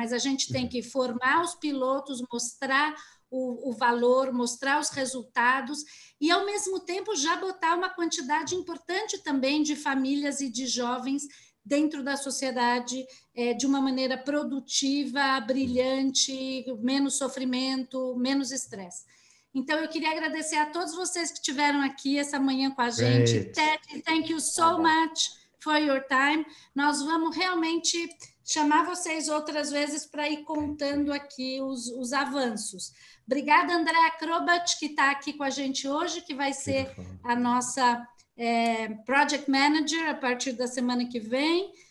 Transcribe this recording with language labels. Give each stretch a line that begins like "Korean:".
Portuguese: Mas a gente tem que formar os pilotos, mostrar o valor, mostrar os resultados e, ao mesmo tempo, já botar uma quantidade importante também de famílias e de jovens dentro da sociedade, de uma maneira produtiva, brilhante, menos sofrimento, menos estresse. Então, eu queria agradecer a todos vocês que estiveram aqui essa manhã com a gente.
English: Teddy, thank you so much for your time.
Portuguese: Nós vamos realmente chamar vocês outras vezes para ir contando aqui os avanços. Obrigada, Andréa Krobat, que está aqui com a gente hoje, que vai ser a nossa Project Manager a partir da semana que vem.